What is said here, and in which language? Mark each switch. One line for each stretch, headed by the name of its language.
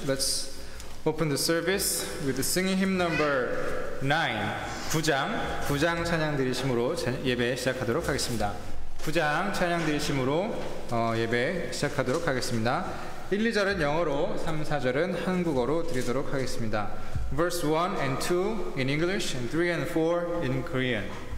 English: Let's open the service with the singing hymn number 9.
Korean: 9장 찬양 드리심으로 예배 시작하도록 하겠습니다. 9장 찬양 드리심으로 예배 시작하도록 하겠습니다. 1, 2절은 영어로, 3, 4절은 한국어로 드리도록 하겠습니다.
English: Verse 1 and 2 in English and 3 and 4 in Korean.